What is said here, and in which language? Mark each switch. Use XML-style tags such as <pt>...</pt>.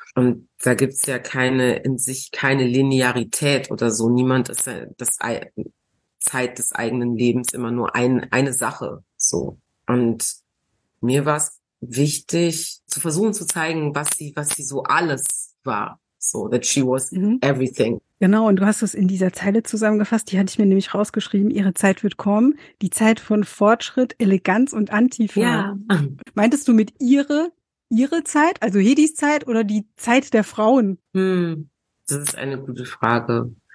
<de>Und da gibt's ja keine, in sich keine Linearität oder so. Niemand ist das Zeit des eigenen Lebens immer nur eine Sache, so. Und mir war es wichtig zu versuchen zu zeigen, was sie so alles war.</de> <en>So, that she was everything.</en> <de>Genau, und du hast es in dieser Zeile zusammengefasst, die hatte ich mir nämlich rausgeschrieben, ihre Zeit wird kommen, die Zeit von Fortschritt, Eleganz und Antifa. Ja. Meintest du mit ihre Zeit, also Hedys Zeit oder die Zeit der Frauen? Das ist eine gute Frage.</de>